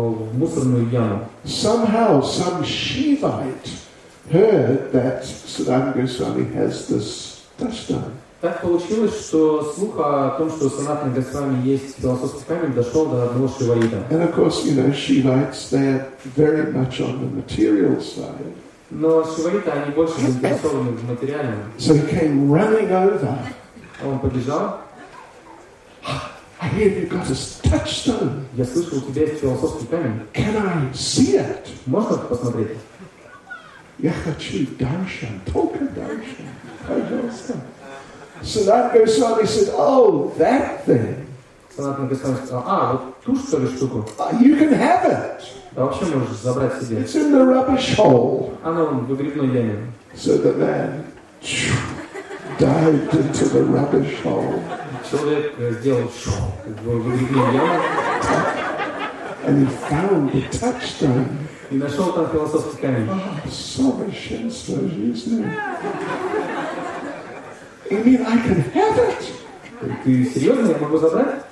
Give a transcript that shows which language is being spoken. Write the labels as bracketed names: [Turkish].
[English] Somehow, some Shivite heard that Sanatana Goswami has this touchstone. [Russian] Так получилось, что слух о том, что Санатана Госвами есть философский камень, дошел до одного шиваита. [English] And of course, you know, Shivites, they're very much on the material side. [Russian] Но шиваиты, они больше заинтересованы в материальном. [English] So he came running over. [Russian] Он побежал. [English] I hear you've got a touchstone. [Russian] Я слышал, у тебя есть философский камень. [English] Can I see it? [Russian] Можно посмотреть? Я хочу даршан, только даршан. Пожалуйста. [English] Sanatana Goswami said, oh, that thing. [Russian] Sanatana Goswami сказал, а, вот ту что ли штуку? [English] You can have it. [Russian] Да вообще можешь забрать себе. [English] It's in the rubbish hole. [Russian] Оно в грибной яме. [English] So the man dived into the rubbish hole. [Russian] Человек сделал шоу в грибной яме. [English] And he found the touchstone. [Russian] И нашел там философский камень. [English] Oh, so much sense, isn't it? You mean I can have it? [Russian] Ты серьезно, я могу забрать?